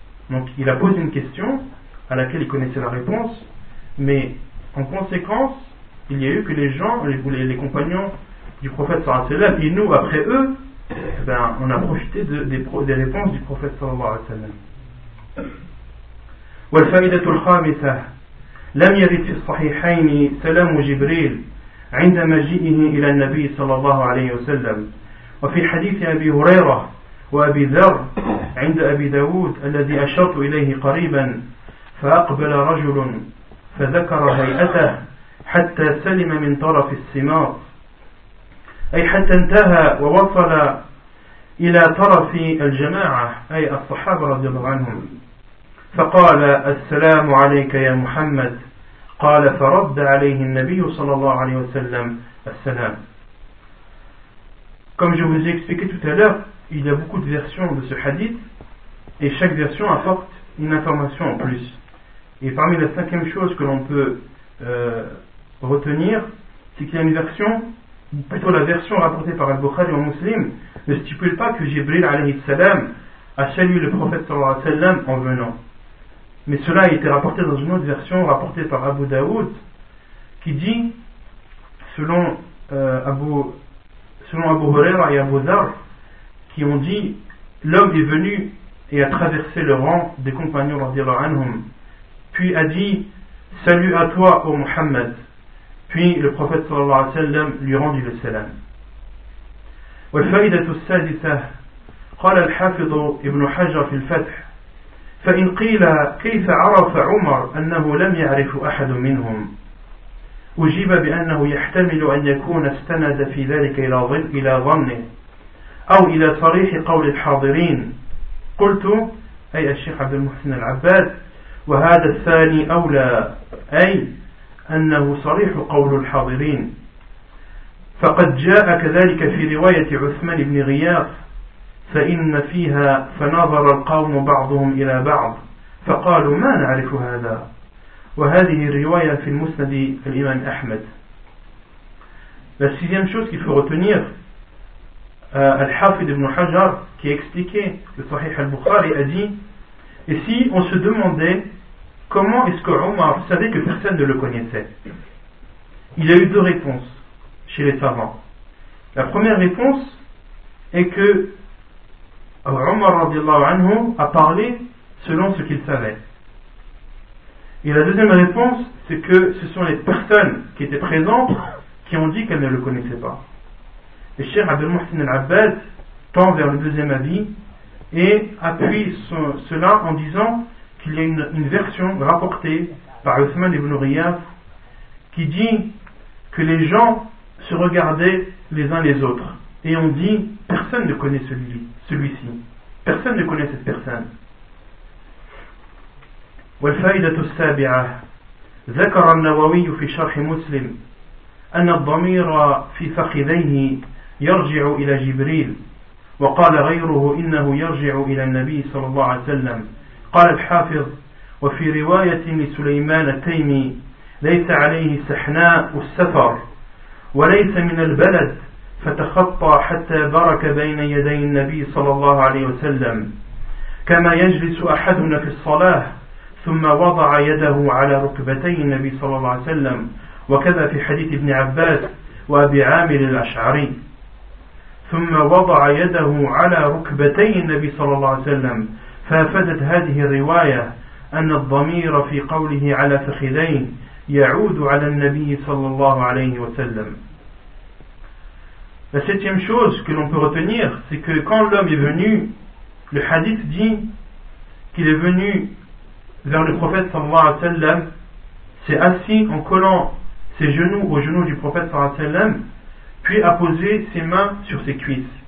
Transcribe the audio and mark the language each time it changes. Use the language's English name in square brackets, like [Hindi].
[French] Donc il a posé une question à laquelle il connaissait la réponse, mais en conséquence, il y a eu que les gens, les compagnons du prophète sallallahu alayhi wa sallam, et nous après eux, ben, on a profité des réponses du prophète sallallahu alayhi wa sallam. [Arabic] والفائدة الخامسة لم يرد في الصحيحين سلام جبريل عند مجيئه إلى النبي صلى الله عليه وسلم وفي حديث أبي هريرة وأبي ذر عند أبي داود الذي أشرت إليه قريبا فأقبل رجل فذكر هيئته حتى سلم من طرف السماط أي حتى انتهى ووصل إلى طرف الجماعة أي الصحابة رضي الله عنهم فقال السلام عليك يا محمد قال فرد عليه النبي صلى الله عليه وسلم السلام. [French] Comme je vous ai expliqué tout à l'heure, il y a beaucoup de versions de ce hadith et chaque version apporte une information en plus. Et parmi la cinquième chose que l'on peut retenir, c'est qu'il y a une version, plutôt la version rapportée par Al-Bukhari en Muslim, ne stipule pas que Jibril alayhi salam a salué le prophète sallallahu alayhi salam en venant. Mais cela a été rapporté dans une autre version rapportée par Abu Daoud qui dit, selon Abu Huraira et Abu Dhar, qui ont dit, l'homme est venu et a traversé le rang des compagnons radiallahu anhum, puis a dit, salut à toi, ô Muhammad. Puis le prophète sallallahu alayhi wa sallam lui rendit le salam. [Arabic] والفائدة السادسة قال الحافظ ابن حجر في الفتح فإن قيل كيف عرف عمر أنه لم يعرف أحد منهم أجيب بأنه يحتمل أن يكون استند في ذلك إلى ظنه أو إلى صريح قول الحاضرين قلت أي الشيخ عبد المحسن العباد وهذا الثاني أولى أي أنه صريح قول الحاضرين فقد جاء كذلك في رواية عثمان بن غياث فإن فيها فنظر القوم بعضهم إلى بعض فقالوا ما نعرف هذا وهذه الرواية في المسند الإمام أحمد. [French] La sixième chose qu'il faut retenir, Al-Hafid ibn Hajar qui expliquait le Sahih al-Bukhari a dit, et si on se demandait comment est-ce que Omar savait que personne ne le connaissait, il a eu deux réponses chez les savants. La première réponse est que Omar radiallahu anhu a parlé selon ce qu'il savait. Et la deuxième réponse, c'est que ce sont les personnes qui étaient présentes qui ont dit qu'elles ne le connaissaient pas. Et Cheikh Abdel Mohsin al-Abbad tend vers le deuxième avis et appuie cela en disant qu'il y a une version rapportée par Othman ibn Riyaf qui dit que les gens se regardaient les uns les autres et ont dit personne ne connaît celui-ci. Personne ne connaît cette personne. [Arabic] والفائدة السابعة ذكر النووي في شرح مسلم أن الضمير في فخذيه يرجع إلى جبريل وقال غيره إنه يرجع إلى النبي صلى الله عليه وسلم قال الحافظ وفي رواية لسليمان التيمي ليس عليه سحناء السفر وليس من البلد فتخطى حتى برك بين يدي النبي صلى الله عليه وسلم كما يجلس أحدنا في الصلاة ثم وضع يده على ركبتي النبي صلى الله عليه وسلم وكذا في حديث ابن عباس وأبي عامر الأشعري ثم وضع يده على ركبتي النبي صلى الله عليه وسلم فأفدت هذه الرواية أن الضمير في قوله على فخذين يعود على النبي صلى الله عليه وسلم. [French] La septième chose que l'on peut retenir, c'est que quand l'homme est venu, le hadith dit qu'il est venu vers le prophète sallallahu alayhi wa sallam, s'est assis en collant ses genoux aux genoux du prophète sallallahu alayhi wa sallam, puis a posé ses mains sur ses cuisses.